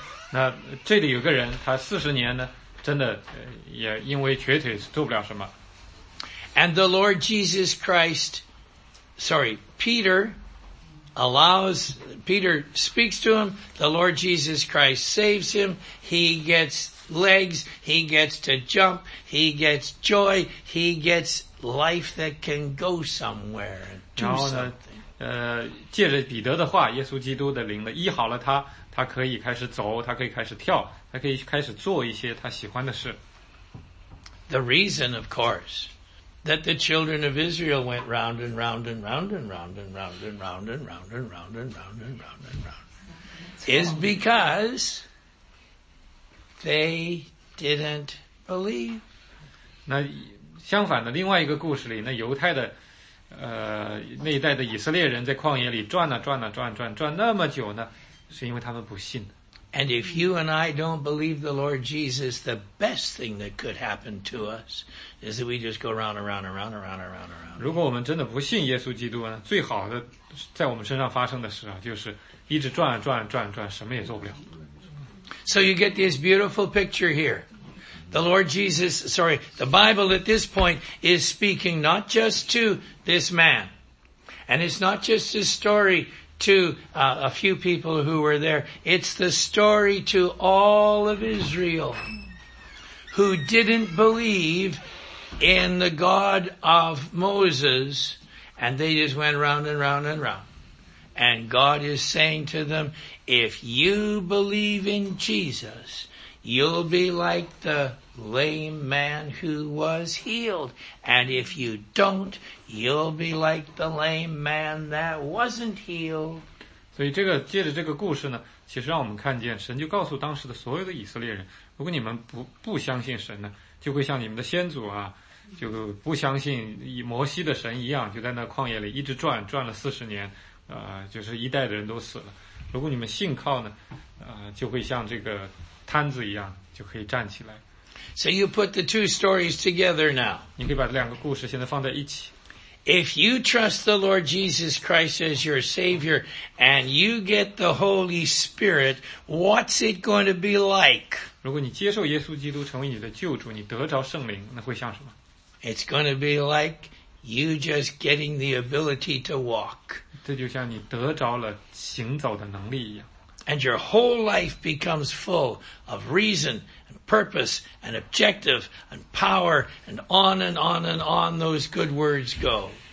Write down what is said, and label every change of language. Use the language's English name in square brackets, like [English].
[Chinese] 那这里有个人他40年呢真的也因为瘸腿做不了什么。 [English] And the Lord Jesus Christ, sorry, Peter speaks to him, the Lord Jesus Christ saves him, he gets legs, he gets to jump, he gets joy, he gets life that can go somewhere. [Chinese] 然后呢借着彼得的话耶稣基督的灵呢医好了他他可以开始走他可以开始跳他可以开始做一些他喜欢的事。 [English] The reason, of course, that the children of Israel went round and round and round and round and round and round and round and round and round and round and round is because they didn't believe. [Chinese] 那相反的另外一个故事里，那犹太的那一代的以色列人在旷野里转啊转啊转转转那么久呢，是因为他们不信。 [English] And if you and I don't believe the Lord Jesus, the best thing that could happen to us is that we just go round and round and round and round and round and round. [Chinese] 如果我们真的不信耶稣基督呢，最好的在我们身上发生的事啊，就是一直转啊转啊转啊转，什么也做不了。 [English] So you get this beautiful picture here. The Lord Jesus, sorry, the Bible at this point is speaking not just to this man. And it's not just his story to a few people who were there. It's the story to all of Israel who didn't believe in the God of Moses and they just went round and round and round. And God is saying to them, if you believe in Jesus, you'll be like the lame man who was healed. And if you don't, you'll be like the lame man that wasn't healed. [Chinese] 所以这个借着这个故事呢，其实让我们看见神就告诉当时的所有的以色列人，如果你们不相信神呢，就会像你们的先祖啊，就不相信摩西的神一样，就在那旷野里一直转，转了四十年，就是一代的人都死了。如果你们信靠呢，就会像这个摊子一样，就可以站起来。 [English] So you put the two stories together now. [Chinese] 你可以把两个故事现在放在一起。 [English] If you trust the Lord Jesus Christ as your Savior and you get the Holy Spirit, what's it going to be like? [Chinese] 如果你接受耶稣基督成为你的救主，你得着圣灵，那会像什么？ [English] It's going to be like you just getting the ability to walk. [Chinese] 这就像你得着了行走的能力一样。 [English] And your whole life becomes full of reason and purpose and objective and power and on and on and on those good words go.